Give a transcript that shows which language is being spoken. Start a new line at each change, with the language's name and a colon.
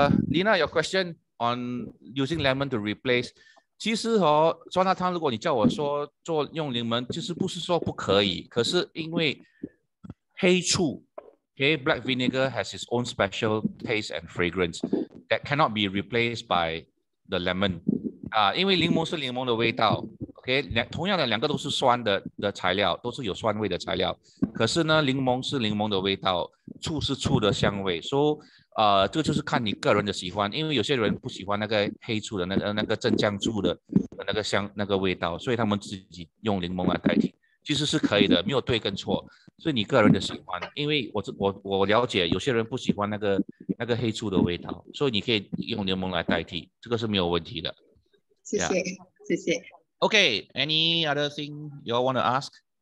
English: Lina, your question on using lemon to replace.
Chinese: 其实哦，酸辣汤如果你叫我说做用柠檬，其实不是说不可以，可是因为黑醋。
English: Okay, black vinegar has its own special taste and fragrance that cannot be replaced by the lemon.
Chinese: 因为柠檬是柠檬的味道. Okay, 同样的两个都是酸的材料，都是有酸味的材料。可是呢，柠檬是柠檬的味道，醋是醋的香味。So, 这个就是看你个人的喜欢。因为有些人不喜欢那个黑醋的那个镇酱醋的那个味道，所以他们自己用柠檬来代替。其实是可以的，没有对跟错，是你个人的喜欢。因为我了解有些人不喜欢那个黑醋的味道，所以你可以用柠檬来代替，这个是没有问题的。谢谢。
English: OK, any other thing you all want to ask?